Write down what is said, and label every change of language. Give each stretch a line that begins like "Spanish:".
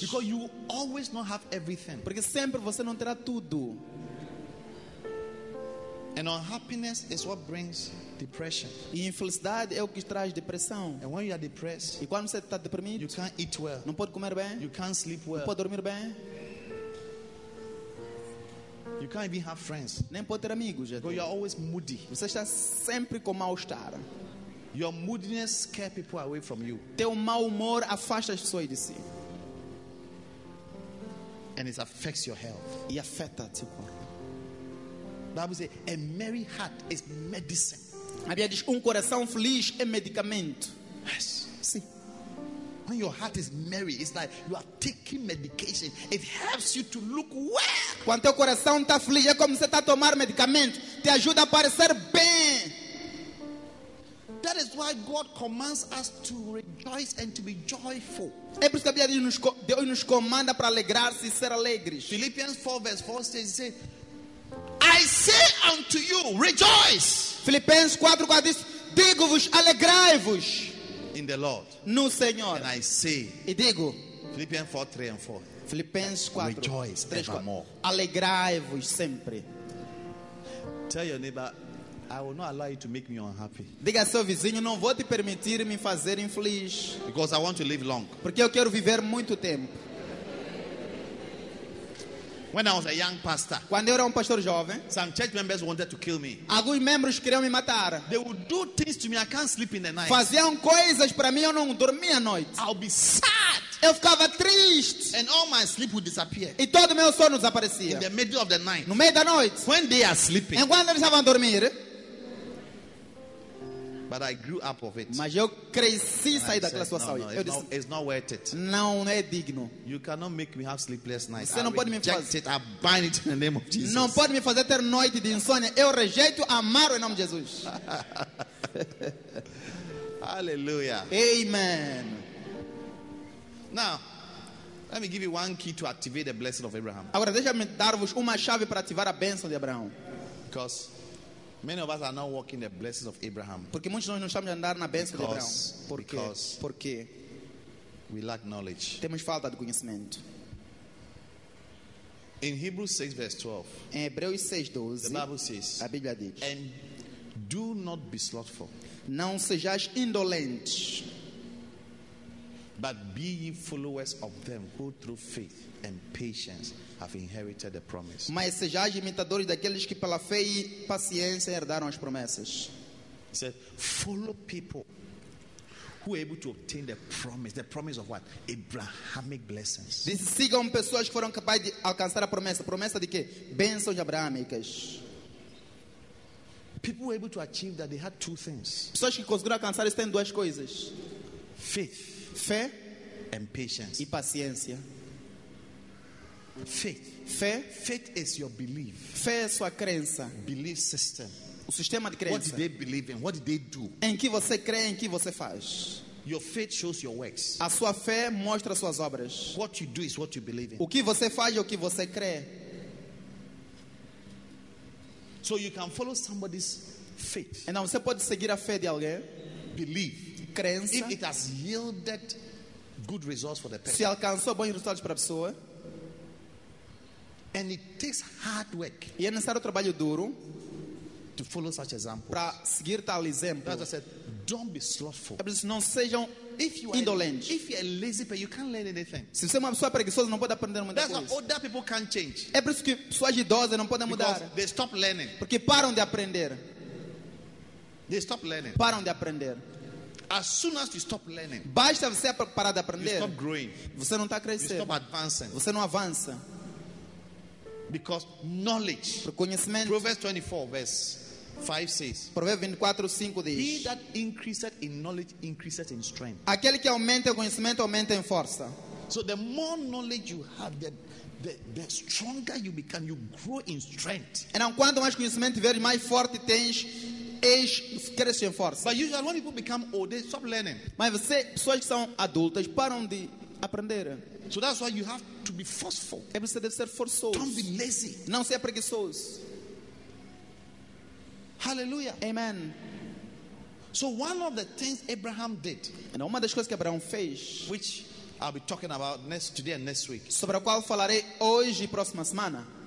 English: Because you always not have everything.
Portuguese: Porque sempre você não terá tudo.
English: And unhappiness is what brings depression.
Portuguese: E infelicidade é o que traz depressão.
English: And when you are depressed,
Portuguese: e quando você está deprimido,
English: you can't eat well.
Portuguese: Não pode comer bem.
English: You can't sleep well.
Portuguese: Não pode dormir bem.
English: You can't even have friends.
Portuguese: Nem pode ter amigos.
English: Because you are always moody.
Portuguese: Você está sempre com mau estar.
English: Your moodiness scares people away from you.
Portuguese: Teu mau humor afasta as pessoas de si.
English: And it affects your health.
Portuguese: E afeta teu corpo.
English: Bible says a merry heart is medicine.
Portuguese: A Bíblia diz coração feliz é medicamento.
English: Yes.
Portuguese: Sim.
English: When your heart is merry, it's like you are taking medication. It helps you to look well.
Portuguese: Quando teu coração está feliz, é como você está a tomar medicamento. Te ajuda a parecer bem.
English: That is why God commands us to rejoice and to be joyful.
Portuguese: É por isso que a Bíblia nos comanda para alegrar-se e ser alegres.
English: Philippians 4 verse 4 says, it says, I say unto you, rejoice.
Portuguese: Filipenses 4:4 diz: digo-vos, alegrai-vos.
English: In the Lord.
Portuguese: No Senhor.
English: And I say.
Portuguese: E digo. Filipenses 4:3-4. Filipenses 4.
English: Rejoice 3, evermore.
Portuguese: Alegrai-vos sempre.
English: Tell your neighbor, I will not allow you to make me unhappy.
Portuguese: Diga ao seu vizinho, não vou te permitir me fazer infeliz.
English: Because I want to live long.
Portuguese: Porque eu quero viver muito tempo.
English: When I was a young pastor,
Portuguese: quando eu era pastor jovem,
English: some church members wanted to kill me.
Portuguese: Alguns membros queriam me matar.
English: They would do things to me. I can't sleep in the night.
Portuguese: Faziam coisas para mim, eu não dormia à noite.
English: I'll be sad.
Portuguese: Eu ficava triste.
English: And all my sleep would disappear.
Portuguese: E todo meu sono desaparecia.
English: In the middle of the night.
Portuguese: No meio da noite.
English: When they are sleeping.
Portuguese: Enquanto eles estavam a dormir.
English: But I grew up of it.
Portuguese: Mas eu cresci e saí daquela situação.
English: It's not worth it.
Portuguese: Não é digno.
English: You cannot make me have sleepless nights.
Portuguese: Você não pode me fazer.
English: I bind it in the name of Jesus.
Portuguese: Não pode me fazer ter noite de insônia. Eu rejeito, amarro em nome de Jesus.
English: Hallelujah.
Portuguese: Amen.
English: Now, let me give you one key to activate the blessing of Abraham.
Portuguese: Agora deixa-me dar-vos uma chave para ativar a bênção de Abraão.
English: Because many of us are not walking the blessings of Abraham.
Portuguese: Porque muitos de nós não estamos a andar na bênção de Abraão. Porque
English: we lack knowledge.
Portuguese: Temos falta de conhecimento.
English: In Hebrews 6 verse 12.
Portuguese: Em Hebreus 6, 12.
English: The Bible says,
Portuguese: a Bíblia diz.
English: And do not be slothful.
Portuguese: Não sejais indolente.
English: But be ye followers of them who through faith and patience have inherited the promise.
Portuguese: Mas sejais imitadores daqueles que pela fé e paciência herdaram as promessas.
English: He said, follow people who are able to obtain the promise of what? Abrahamic blessings.
Portuguese: Diz, sigam pessoas que foram capazes de alcançar a promessa. Promessa de quê? Bênçãos abraâmicas.
English: People were able to achieve that they had two things.
Portuguese: Pessoas que conseguiram alcançar isso têm duas coisas.
English: Faith.
Portuguese: Fé
English: and patience.
Portuguese: E paciência.
English: Faith.
Portuguese: Fé.
English: Faith is your belief.
Portuguese: Fé é sua crença.
English: Belief system.
Portuguese: O sistema de crença.
English: What did they believe in? What did they do?
Portuguese: Em que você crê, em que você faz.
English: Your faith shows your works.
Portuguese: A sua fé mostra suas obras.
English: What you do is what you believe in.
Portuguese: O que você faz é o que você crê.
English: So you can follow somebody's faith.
Portuguese: Então você pode seguir a fé de alguém.
English: Believe.
Portuguese: Crença.
English: If it has yielded good results for the person.
Portuguese: Se alcançou bons resultados para a pessoa.
English: And it takes hard work.
Portuguese: E é necessário trabalho duro.
English: To follow such examples.
Portuguese: Para seguir tal exemplo.
English: As I said, don't be slothful.
Portuguese: É preciso, não sejam indolentes.
English: If you are lazy, but you can't learn anything.
Portuguese: Se você é uma pessoa preguiçosa, não pode aprender muita
English: That's
Portuguese: coisa.
English: That's why older people can't change.
Portuguese: É por isso que pessoas idosas não podem mudar.
English: Because they stop learning.
Portuguese: Porque param de aprender.
English: They stop learning.
Portuguese: Param de aprender.
English: As soon as you stop learning,
Portuguese: basta você parar de aprender,
English: you stop growing.
Portuguese: Você não está a crescer.
English: You stop advancing.
Portuguese: Você não avança.
English: Because knowledge,
Portuguese: conhecimento,
English: Proverbs 24 verse 5 says.
Portuguese: Provérbios 24:5 diz.
English: He that increases in knowledge increases in strength.
Portuguese: Aquele que aumenta o conhecimento aumenta em força.
English: So the more knowledge you have, the stronger you become, you grow in strength.
Portuguese: Então quanto mais conhecimento tiver, mais forte tens. Cresce em força.
English: But usually when people become old, they stop learning.
Portuguese: Mas você, pessoas que são adultas, param de aprender.
English: So that's why you have to be forceful.
Portuguese: É você deve ser forçoso.
English: Don't be lazy.
Portuguese: Não seja preguiçoso.
English: Hallelujah.
Portuguese: Amen.
English: So one of the things Abraham did, and
Portuguese: uma das coisas que Abraão fez,
English: which I'll be talking about today and next week,
Portuguese: sobre a qual falarei hoje e próxima semana,